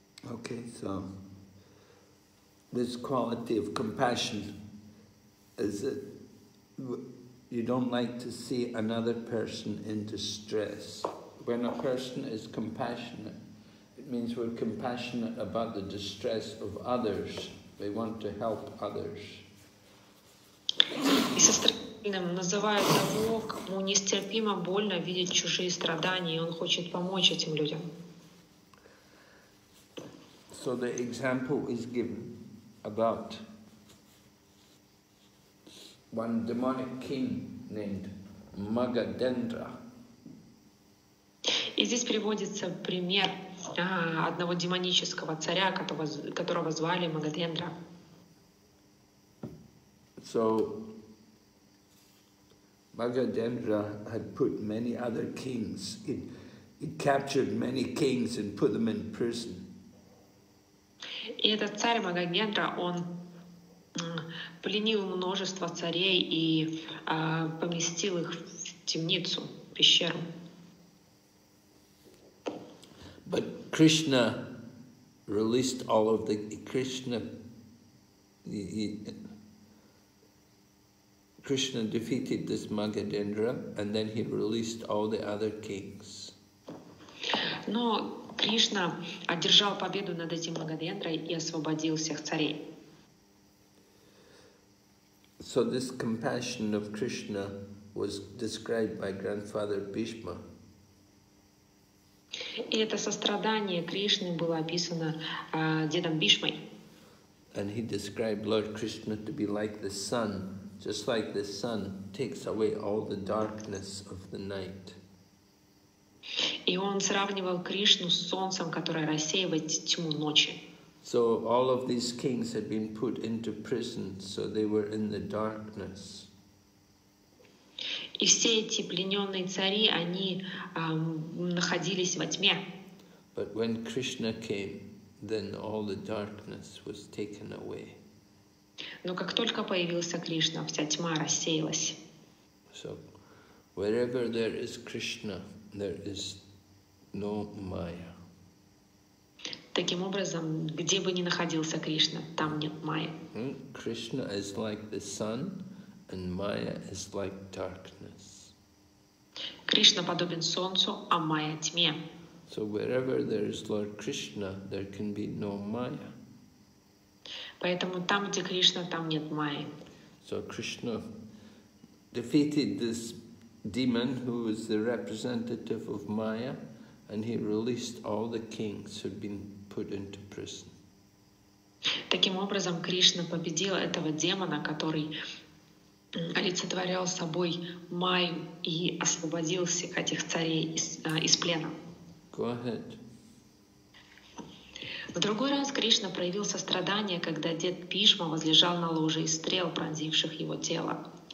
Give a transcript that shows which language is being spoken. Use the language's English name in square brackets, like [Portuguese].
[English] Okay, so this quality of compassion is that you don't like to see another person in distress. When a person is compassionate, it means we're compassionate about the distress of others. They want to help others. [Russian] Называя того, кому нестерпимо больно видеть чужие страдания, и он хочет помочь этим людям. [English] So the example is given about one demonic king named Magadendra. [Russian] И здесь приводится пример одного демонического царя, которого звали Магадендра. [English] So Magadendra had put many other kings, he captured many kings and put them in prison. [Russian] И этот царь Магадендра, он пленил множество царей и поместил их в темницу, в пещеру. [English] But Krishna released all of the Krishna. Krishna defeated this Magadendra, and then he released all the other kings. [Russian] Но Кришна одержал победу над этим Магадендрой и освободил всех царей. [English] So this compassion of Krishna was described by grandfather Bhishma. [Russian] И это сострадание Кришны было описано дедом Бишмой. [English] And he described Lord Krishna to be like the sun. Just like the sun takes away all the darkness of the night. [Russian] И он сравнивал Кришну с солнцем, которое рассеивает тьму ночи. [English] So all of these kings had been put into prison, so they were in the darkness. [Russian] И все эти плененные цари, они находились во тьме. [English] But when Krishna came, then all the darkness was taken away. [Russian] Но как только появился Кришна, вся тьма рассеялась. [English] So, wherever there is Krishna, there is no Maya. [Russian] Таким образом, где бы ни находился Кришна, там нет Майя. [English] Krishna is like the sun, and Maya is like darkness. [Russian] Кришна подобен солнцу, а Майя тьме. [English] So, wherever there is Lord Krishna, there can be no Maya. [Russian] Поэтому там, где Кришна, там нет Майи. [English] So Krishna defeated this demon who was the representative of Maya, and he released all the kings who had been put into prison. [Russian] Таким образом, Кришна победил этого демона, который олицетворял собой Майю, и освободил всех этих царей из плена. [English] Go ahead. [Russian] В другой раз Кришна проявил сострадание, когда дед Бишма возлежал на ложе из стрел, пронзивших его тело.